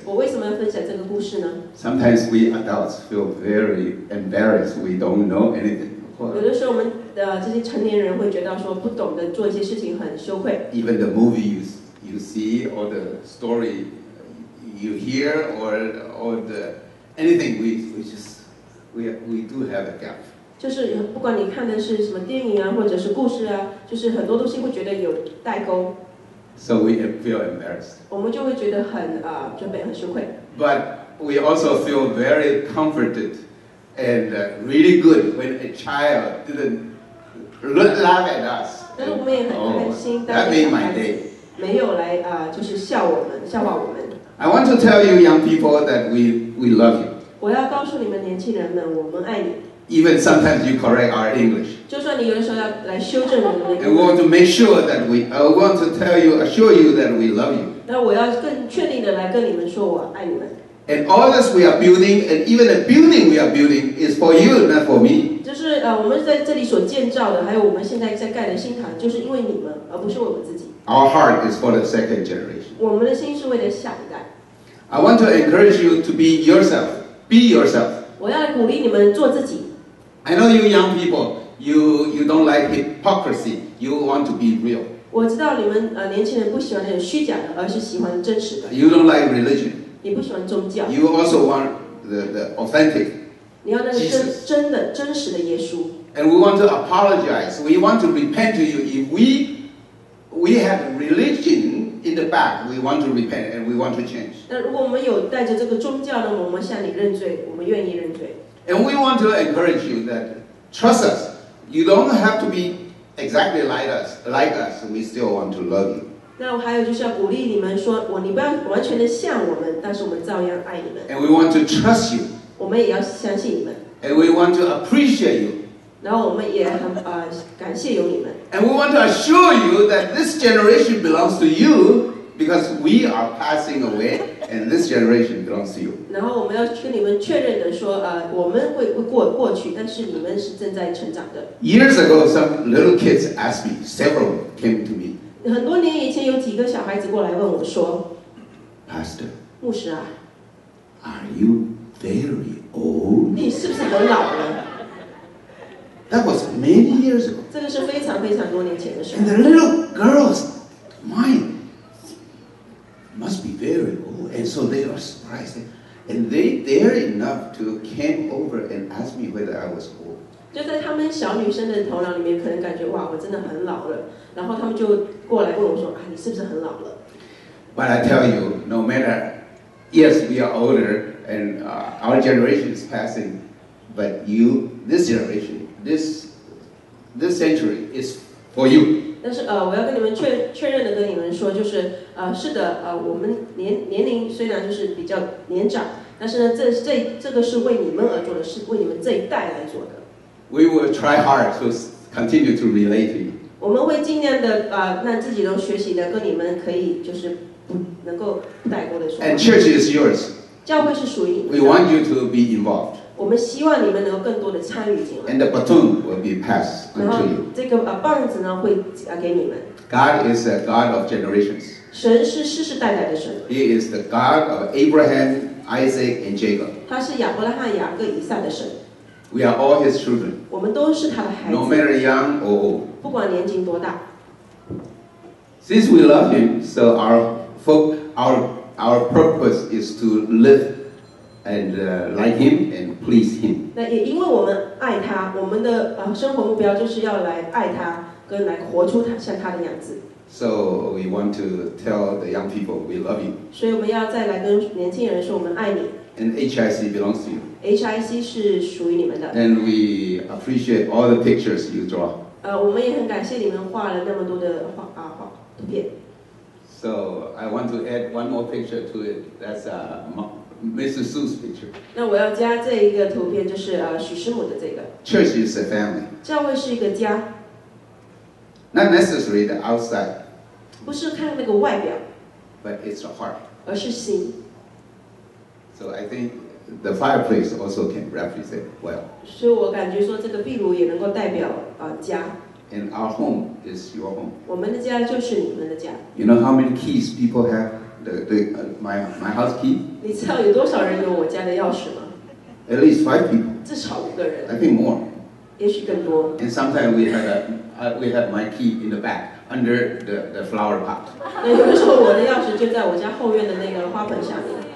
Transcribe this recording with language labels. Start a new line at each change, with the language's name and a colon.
Chinese: 我为什么要分享这个故事呢？
English: Sometimes we adults feel very embarrassed. We don't know anything.
Chinese: 有的时候我们的这些成年人会觉得说不懂得做一些事情很羞愧。
English: Even the movies you see or the story you hear or the anything we do have a gap.
Chinese: 就是不管你看的是什么电影啊，或者是故事啊，就是很多东西会觉得有代沟。
English: So we feel embarrassed.
Chinese: 我们就会觉得很准备很羞愧。
English: But we also feel very comforted and really good when a child didn't look laugh at us.
Chinese: 但是我们也很开心，当小孩子没有来就是笑我们，笑话我们。
English: I want to tell you, young people, that we love you.
Chinese: 我要告诉你们年轻人们，我们爱你。
English: Even sometimes you correct our English.
Chinese: 就算你有的时候要来修正我们的英语。
English: And we want to make sure that I want to tell you, assure you that we love you.
Chinese: 那我要更确定的来跟你们说我爱你们。
English: And all this we are building, and even the building we are building is for you, not for me.
Chinese: 就是我们在这里所建造的，还有我们现在在盖的新堂，就是因为你们，而不是为我们自己。
English: Our heart is for the second generation.
Chinese: 我们的心是为了下一代。
English: I want to encourage you to be yourself. Be yourself.
Chinese: 我要鼓励你们做自己。
English: I know you young people, you don't like hypocrisy, you want to be real.
Chinese: 我知道你们年轻人不喜欢那种虚假的，而是喜欢真实的。
English: You don't like religion.
Chinese: 你不喜欢宗教。
English: You also want the authentic Jesus.
Chinese: 你要那个真实的耶稣。
English: And we want to apologize, we want to repent to you. If we have religion in the back, we want to repent and we want to change.
Chinese: 那如果我们有带着这个宗教呢，我们向你认罪，我们愿意认罪。
English: And we want to encourage you that trust us. You don't have to be exactly like us. We still want to love you.
Chinese: 那还有就是要鼓励你们说，你不要完全的像我们，但是我们照样爱你们。
English: And we want to trust you.
Chinese: 我们也要相信你们。
English: And we want to appreciate you.
Chinese: 然后我们也很感谢有你们。
English: And we want to assure you that this generation belongs to you because we are passing away. And this generation belongs to you.
Chinese: 然后我们要跟你们确认的说，我们会过去，但是你们是正在成长的。
English: Years ago, some little kids asked me. Several came to me.
Chinese: 很多年以前，有几个小孩子过来问我说
English: ，Pastor，
Chinese: 牧师啊
English: ，Are you very old？
Chinese: 你是不是很老了
English: ？That was many years ago.
Chinese: 这个是非常非常多年前的事。
English: And the little girls, mine, must be very old. And so they are surprised, and they dare enough to came over and ask me whether I was old.
Chinese: 就在他们小女生的头脑里面，可能感觉哇，我真的很老了。然后他们就过来问我说，你是不是很老了？
English: But I tell you, no matter, yes, we are older, and our generation is passing. But you, this generation, this century is for you.
Chinese: 但是我要跟你们确认的跟你们说，就是是的，我们年龄虽然就是比较年长，但是呢，这个是为你们而做的，是为你们这一代来做的。
English: We will try hard to continue to relate to you.
Chinese: 我们会尽量的让自己能学习的跟你们可以就是能够代沟的说。
English: And church is yours.
Chinese: 教会是属于你的。
English: We want you to be involved.
Chinese: 我们希望你们能够更多的参与进来。
English: And the baton will be passed unto you.
Chinese: 然后这个棒子呢会给你们。
English: God is a God of generations.
Chinese: 神是世世代代的神。
English: He is the God of Abraham, Isaac, and Jacob.
Chinese: 他是亚伯拉罕、雅各、以撒的神。
English: We are all His children.
Chinese: 我们都是他的孩子。
English: No matter young or old.
Chinese: 不管年纪多大。
English: Since we love Him, so our purpose is to live. And like him and please him.
Chinese: 那也因为我们爱他，我们的生活目标就是要来爱他，跟来活出他像他的样子。
English: So we want to tell the young people we love you.
Chinese: 所以我们要再来跟年轻人说我们爱你。
English: And HIC belongs to you.
Chinese: HIC 是属于你们的。
English: And we appreciate all the pictures you draw.
Chinese: 我们也很感谢你们画了那么多的画图片。
English: So I want to add one more picture to it. That's Mrs. Sue's picture.
Chinese: 那我要加这一个图片，就是许师母的这个。
English: Church is a family.
Chinese: 教会是一个家。
English: Not necessarily the outside.
Chinese: 不是看那个外表。
English: But it's the heart.
Chinese: 而是心。
English: So I think the fireplace also can represent well.
Chinese: 所以我感觉说这个壁炉也能够代表, 家。
English: And our home is your home.
Chinese: 我们的家就是你们的家。
English: You know how many keys people have? My house key?
Chinese: 你知道有多少人有我家的钥匙吗?
English: At least 5 people.
Chinese: 至少5个人。
English: I think more.
Chinese: 也许更多。
English: And sometimes we have my key in the back. Under the flower pot.
Chinese: 有的时候我的钥匙就在我家后院的那个花盆下面。